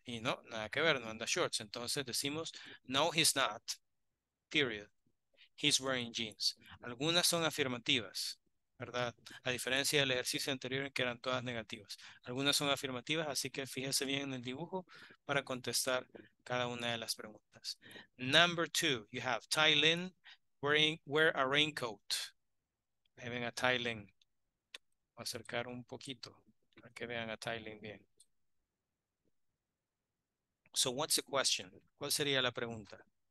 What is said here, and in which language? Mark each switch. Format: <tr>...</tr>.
<es>Y no, nada que ver, no anda shorts. Entonces decimos, no,</es> <en>he's not, period. He's wearing jeans.</en> <es>Algunas son afirmativas, ¿verdad? A diferencia del ejercicio anterior en que eran todas negativas. Algunas son afirmativas, así que fíjese bien en el dibujo para contestar cada una de las preguntas.</es> <en>Number two, you have Ty Lin wear a raincoat.</en> <es>Ahí ven a Ty Lin. Voy a acercar un poquito para que vean a Ty Lin bien.</es> <en>So what's the question?</en> <es>¿Cuál sería la pregunta?</es>